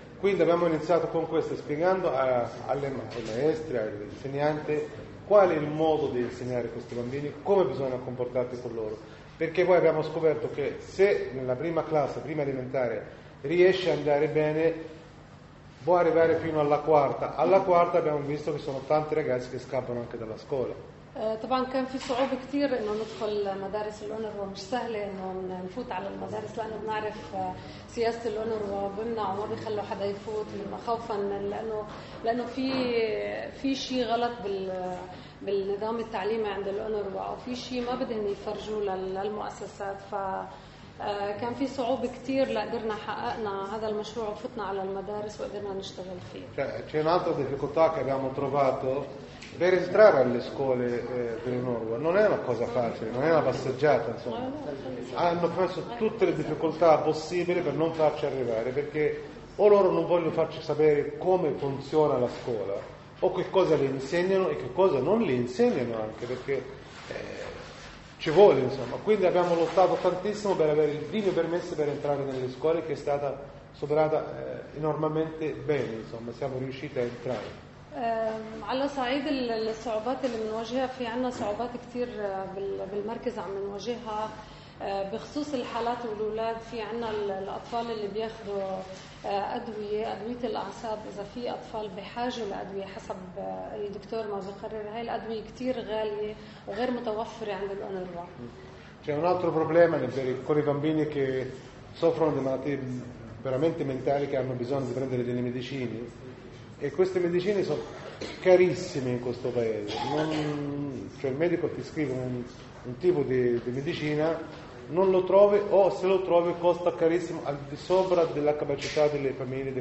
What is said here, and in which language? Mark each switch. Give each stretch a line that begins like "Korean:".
Italian: Quindi abbiamo iniziato con questo, spiegando alle maestre, agli insegnanti, qual è il modo di insegnare questi bambini, come bisogna comportarsi con loro. Perché poi abbiamo scoperto che se nella prima classe, prima elementare, riesce ad andare bene, può arrivare fino alla quarta. Alla quarta abbiamo visto che sono tanti ragazzi che scappano anche dalla scuola.
Arabic: طبعا كان في صعوبة كتير انه ندخل مدارس الأونروا مش سهلة انه نفوت على المدارس لانه بنعرف سياسة الأونروا بمنعوا ما بيخلوا حدا يفوت خوفا لانه في شيء غلط بالنظام التعليمي عند الأونروا او في شيء ما بدهم يفرجوا للمؤسسات فكان في صعوبة كتير لقدرنا حققنا هذا المشروع وفتنا على المدارس وقدرنا نشتغل فيه.
Italian: C'è un'altra difficoltà che abbiamo trovato. Per entrare alle scuole dell'UNRWA non è una cosa facile, non è una passeggiata, insomma. Hanno preso tutte le difficoltà possibili per non farci arrivare, perché o loro non vogliono farci sapere come funziona la scuola, o che cosa le insegnano e che cosa non le insegnano anche, perché ci vuole, insomma. Quindi abbiamo lottato tantissimo per avere il primo permesso per entrare nelle scuole, che è stata superata enormemente bene, insomma, siamo riusciti a entrare.
Arabic: على صعيد الصعوبات اللي بنواجهها في عنا صعوبات كتير بالمركز عم نواجهها بخصوص الحالات والولاد في عنا الأطفال اللي بياخدوا أدوية الأعصاب إذا في أطفال بحاجة لأدوية حسب الدكتور ما يقرر هاي الأدوية كتير غالية وغير متوفرة عند الأونروا.
Italian: C'è un altro problema con i bambini che soffrono di malattie veramente mentali che hanno bisogno di prendere delle medicine. E queste medicine sono carissime in questo paese, cioè il medico ti scrive un tipo di medicina, non lo trovi o se lo trovi costa carissimo al di sopra della capacità delle famiglie di